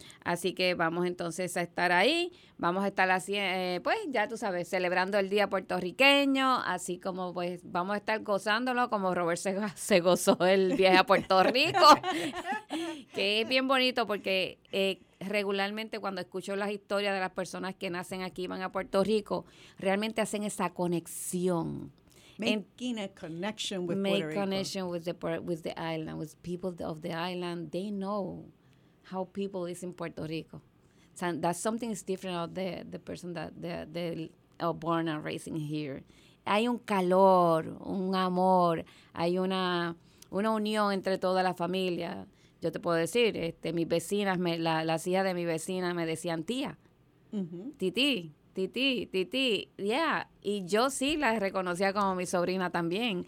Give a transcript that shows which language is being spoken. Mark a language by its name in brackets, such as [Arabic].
[Spanish] Así que vamos entonces a estar ahí, vamos a estar así, pues ya tú sabes, celebrando el día puertorriqueño, así como pues vamos a estar gozándolo como Robert se gozó el viaje a Puerto Rico, que es bien bonito porque regularmente cuando escucho las historias de las personas que nacen aquí y van a Puerto Rico, realmente hacen esa conexión. [English] Making a connection with Puerto Rico. Make connection with the island, with people of the island, they know. How people is in Puerto Rico. So that's something is different of the person that they are born and raising here. [Spanish] Hay un calor, un amor, hay una unión entre toda la familia. Yo te puedo decir, mis vecinas, las hijas de mi vecina me decían tía, mm-hmm. Titi, yeah. Y yo sí la reconocía como mi sobrina también.